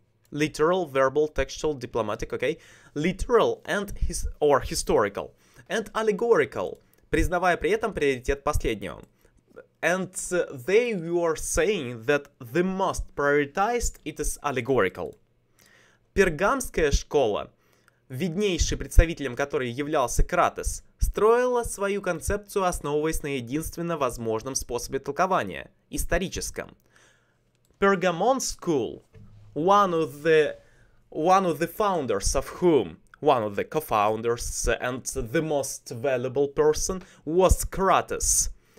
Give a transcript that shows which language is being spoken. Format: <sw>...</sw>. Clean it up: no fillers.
<en>Literal, verbal, textual, diplomatic, okay. Literal and historical. And allegorical,</en> <ru>признавая при этом приоритет последнего.</ru> <en>And they were saying that the most prioritized, it is allegorical.</en> <ru>Пергамская школа, виднейший представителем которой являлся Кратес, строила свою концепцию, основываясь на единственно возможном способе толкования – историческом.</ru> <en>Pergamon school, one of the one of the founders of whom, one of the co-founders and the most valuable person, was Crates.</en>